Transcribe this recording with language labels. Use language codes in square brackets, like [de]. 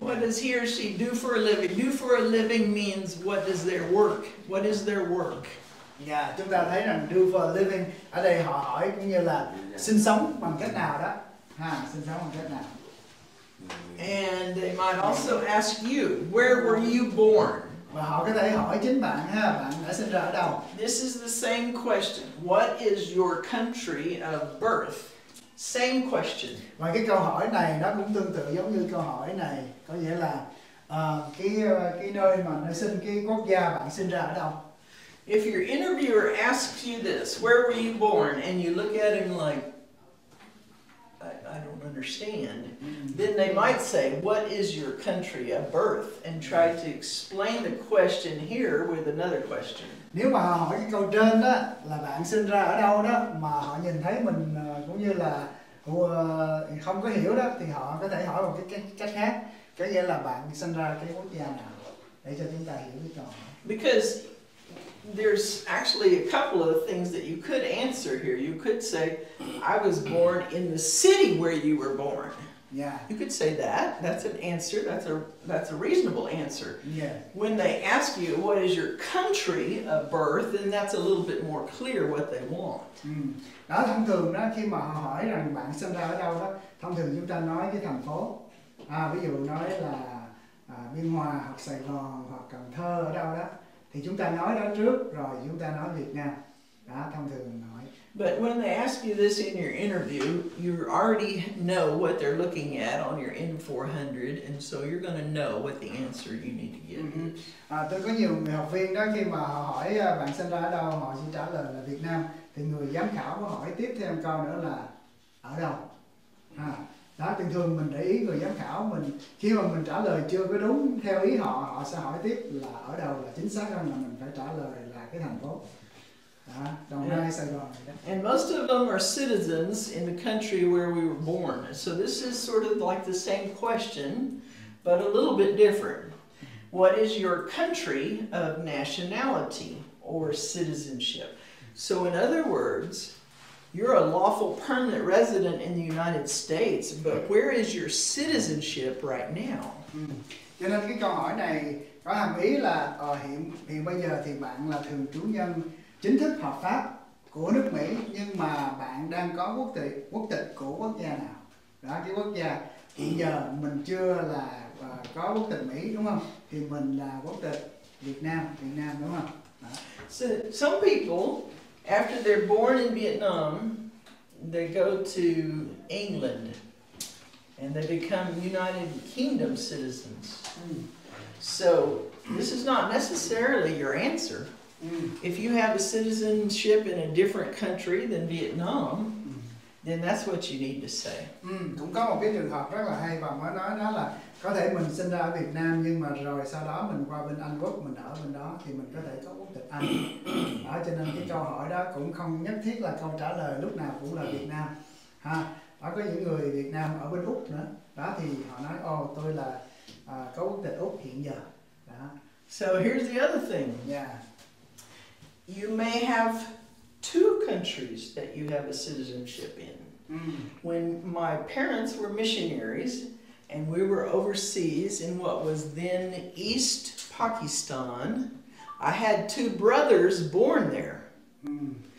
[en] What does he or she do for a living? Do for a living means what is their work? What is their work? [vi] Yeah, chúng ta thấy rằng [en] do for a living [vi] ở đây họ hỏi cũng như là sinh sống bằng cách nào đó. Ha, sinh sống bằng cách nào? [en] And they might also ask you, where were you born? [vi] Và họ có thể hỏi chính bạn ha, bạn đã sinh ra ở đâu? [en] This is the same question. What is your country of birth? Same question. [vi] Và cái câu hỏi này nó cũng tương tự giống như câu hỏi này, có nghĩa là cái nơi mà nơi sinh, cái quốc gia bạn sinh ra ở đâu? [en] If your interviewer asks you this, where were you born, and you look at him like, I don't understand. Then they might say, what is your country of birth? And try to explain the question here with another question. [vi] Nếu mà họ hỏi cái câu trên đó, là bạn sinh ra ở đâu đó, mà họ nhìn thấy mình cũng như là không có hiểu đó, thì họ có thể hỏi một cái cách khác. Có nghĩa là bạn sinh ra cái quốc gia nào? Để cho chúng ta hiểu cái câu. [en] Because there's actually a couple of things that you could answer here. You could say, I was born in the city where you were born. Yeah. You could say that. That's an answer. That's a reasonable answer. Yeah. When they ask you, what is your country of birth, then that's a little bit more clear what they want. [vi] Đó, thông thường đó, khi mà họ hỏi rằng bạn sinh ra ở đâu đó, thông thường chúng ta nói cái thành phố. Ví dụ nói là Biên Hòa, hoặc Sài Gòn, hoặc Cần Thơ ở đâu đó. Thì chúng ta nói đó trước, rồi chúng ta nói Việt Nam. Đó, thông thường nói. [en] But when they ask you this in your interview, you already know what they're looking at on your N-400, and so you're going to know what the answer you need to give. [vi] Tôi có nhiều người học viên đó, khi mà họ hỏi bạn sinh ra ở đâu, họ sẽ trả lời là Việt Nam. Thì người giám khảo có hỏi tiếp thêm câu nữa là ở đâu? Đó, thường thường mình để ý người giám khảo mình, khi mà mình trả lời chưa có đúng theo ý họ, họ sẽ hỏi tiếp là ở đâu, là chính xác hơn là mình phải trả lời là cái thành phố. Đó, đồng ra ngay Sài Gòn. [en] And most of them are citizens in the country where we were born. So this is sort of like the same question, but a little bit different. What is your country of nationality or citizenship? So in other words, you're a lawful permanent resident in the United States, but where is your citizenship right now? [vi] Cho nên cái câu hỏi này có hàm ý là hiện bây giờ thì bạn là thường trú nhân chính thức hợp pháp của nước Mỹ, nhưng mà bạn đang có quốc tịch của quốc gia nào? Đó, cái quốc gia hiện giờ mình chưa là có quốc tịch Mỹ, đúng không? Thì mình là quốc tịch Việt Nam, đúng không? Đó. [en] So, some people, after they're born in Vietnam, they go to England. And they become United Kingdom citizens. Mm. So this is not necessarily your answer. Mm. If you have a citizenship in a different country than Vietnam, mm. then that's what you need to say. [vi] Cũng có một cái trường hợp rất là hay và mới nói đó là có thể mình sinh ra ở Việt Nam nhưng mà rồi sau đó mình qua bên Anh Quốc, mình ở bên đó thì mình có thể có quốc tịch Anh. Đó, cho nên cái câu hỏi đó cũng không nhất thiết là câu trả lời lúc nào cũng là Việt Nam. Ha. Đó, có những người Việt Nam ở bên Úc nữa. Đó thì họ nói, ồ, tôi là có quốc tịch Úc hiện giờ. Đó. [en] So here's the other thing. Yeah. You may have two countries that you have a citizenship in. Mm. When my parents were missionaries and we were overseas in what was then East Pakistan, I had two brothers born there. Mm.